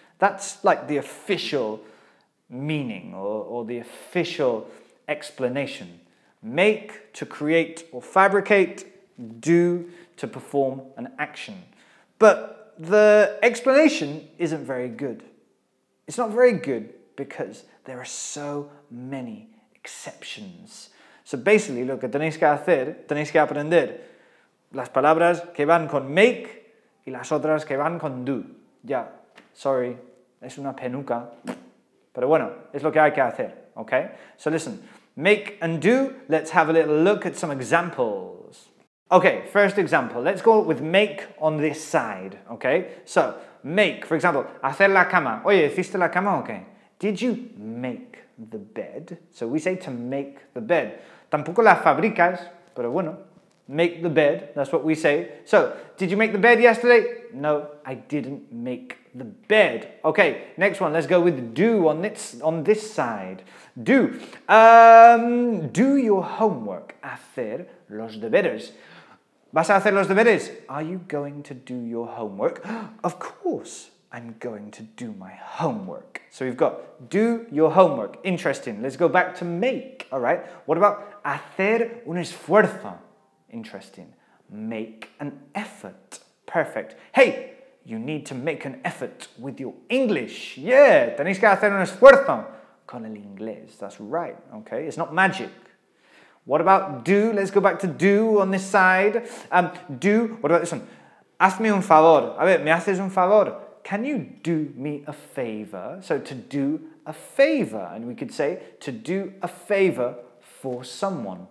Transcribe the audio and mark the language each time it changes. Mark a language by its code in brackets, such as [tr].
[en] That's like the official meaning or the official explanation. Make, to create or fabricate, do, to perform an action. But the explanation isn't very good. It's not very good because there are so many exceptions. So basically, [es] lo que tenéis que hacer, tenéis que aprender las palabras que van con make y las otras que van con do. [en] Yeah, sorry. [es] Es una penuca, pero bueno, es lo que hay que hacer, okay? [en] So listen, make and do, let's have a little look at some examples. Okay, first example, let's go with make on this side, okay? So, make, for example, [es] hacer la cama. Oye, ¿hiciste la cama? Okay. [en] Did you make the bed? So we say to make the bed. [es] Tampoco la fabricas, pero bueno, [en] make the bed, that's what we say. So, did you make the bed yesterday? No, I didn't make the bed. Okay, next one. Let's go with do on this side. Do. Do your homework. [es] Hacer los deberes. ¿Vas a hacer los deberes? [en] Are you going to do your homework? Of course, I'm going to do my homework. So we've got do your homework. Interesting. Let's go back to make. All right. What about [es] hacer un esfuerzo? [en] Interesting. Make an effort. Perfect. Hey, you need to make an effort with your English. Yeah, [es] tenéis que hacer un esfuerzo con el inglés. [en] That's right, okay? It's not magic. What about do? Let's go back to do on this side. Do, what about this one? [es] Hazme un favor. A ver, ¿me haces un favor? [en] Can you do me a favor? So to do a favor. And we could say to do a favor for someone.